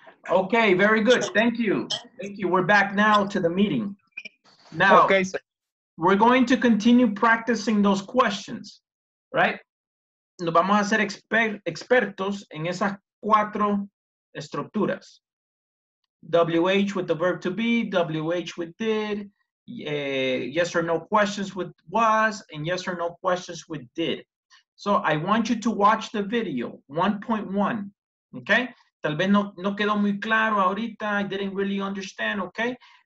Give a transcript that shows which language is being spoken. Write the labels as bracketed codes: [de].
[en] Okay, very good. Thank you. Thank you. We're back now to the meeting. Now, okay, sir. We're going to continue practicing those questions, right? [es] Nos vamos a hacer expertos en esas cuatro estructuras. [en] WH with the verb to be, WH with did, yes or no questions with was, and yes or no questions with did. So I want you to watch the video, 1.1, okay? [es] Tal vez no quedó muy claro ahorita, [en] I didn't really understand, [es] okay?